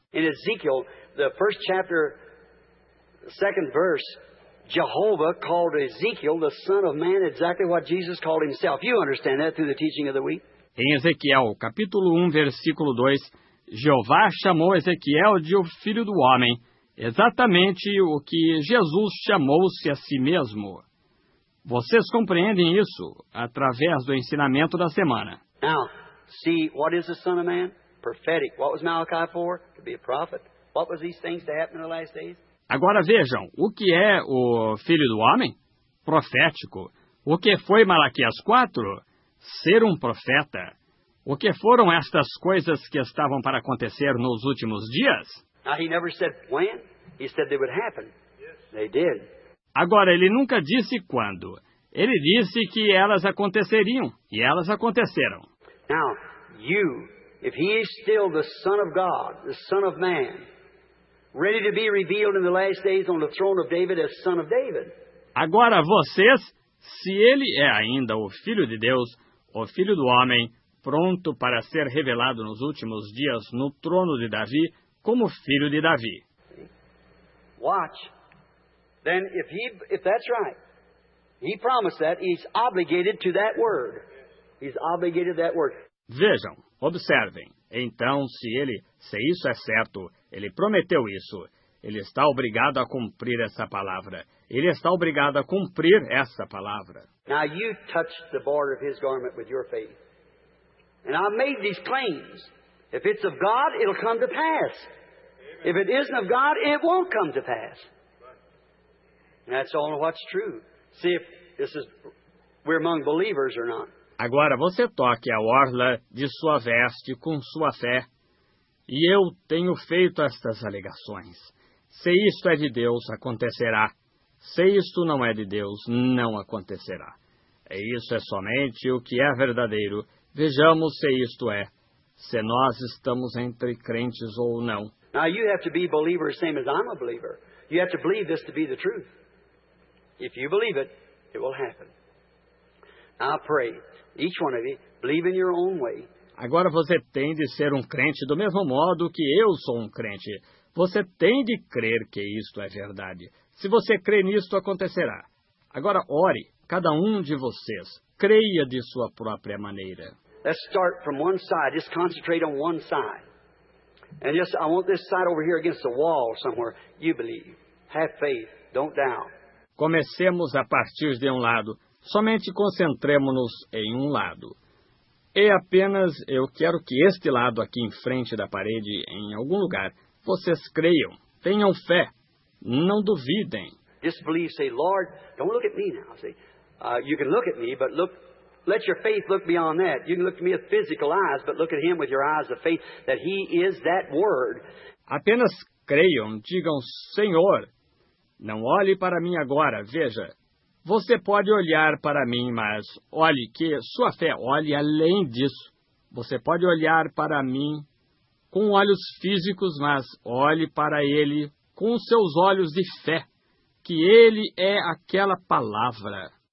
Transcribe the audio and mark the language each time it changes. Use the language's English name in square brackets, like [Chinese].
[English] In Ezekiel, the first chapter, second verse, Jehovah called Ezekiel the Son of Man, exactly what Jesus called himself. You understand that through the teaching of the week? [Portuguese] Em Ezequiel, capítulo 1, versículo 2, Jeová chamou Ezequiel de o Filho do Homem, exatamente o que Jesus chamou-se a si mesmo. Vocês compreendem isso através do ensinamento da semana. [English] Now, see, what is the Son of Man? Prophetic. What was Malachi for? To be a prophet. What was these things to happen in the last days? [Portuguese] Agora vejam, o que é o Filho do Homem? Profético. O que foi Malaquias 4? Ser um profeta. O que foram estas coisas que estavam para acontecer nos últimos dias? [English] Now, he never said when. He said they would happen. Yes. They did. [Portuguese] Agora, ele nunca disse quando. Ele disse que elas aconteceriam, e elas aconteceram. [English] Now, you, if he is still the Son of God, the Son of Man, ready to be revealed in the last days on the throne of David as Son of David. [Portuguese] Agora, vocês, se ele é ainda o Filho de Deus, o Filho do Homem, pronto para ser revelado nos últimos dias no trono de Davi, como Filho de Davi. [English] Watch. Then if that's right, he promised that, he's obligated to that word. He's obligated to that word. [Portuguese] Vejam, observem. Então, se isso é certo, ele prometeu isso, ele está obrigado a cumprir essa palavra. Ele está obrigado a cumprir essa palavra. [English] Now you touched the border of his garment with your faith. And I made these claims. If it's of God, it'll come to pass. Amen. If it isn't of God, it won't come to pass. That's all what's true. See if this is we're among believers or not. [Portuguese] Agora você toque a orla de sua veste com sua fé. E eu tenho feito estas alegações. Se isto é de Deus, acontecerá. Se isto não é de Deus, não acontecerá. E isso é somente o que é verdadeiro. Vejamos se isto é. Se nós estamos entre crentes ou não. [English] Now you have to be a believer the same as I'm a believer. You have to believe this to be the truth. If you believe it, it will happen. I pray, each one of you, believe in your own way. [Portuguese] Agora você tem de ser um crente do mesmo modo que eu sou um crente. Você tem de crer que isto é verdade. Se você crê nisto, acontecerá. Agora ore, cada um de vocês. Creia de sua própria maneira. [English] Let's start from one side. Just concentrate on one side. And just, I want this side over here against the wall somewhere. You believe. Have faith. Don't doubt. [Portuguese] Comecemos a partir de um lado. Somente concentremos-nos em um lado. E apenas eu quero que este lado aqui em frente da parede, em algum lugar, vocês creiam, tenham fé, não duvidem. [English] Just believe, say, Lord, don't look at me now. Say, you can look at me, but look, let your faith look beyond that. You can look at me with physical eyes, but look at him with your eyes of faith, that he is that word. [Portuguese] Apenas creiam, digam, Senhor, não olhe para mim agora, veja. Você pode olhar para mim, mas olhe que sua fé olhe além disso. Você pode olhar para mim com olhos físicos, mas olhe para ele com seus olhos de fé, que ele é aquela palavra.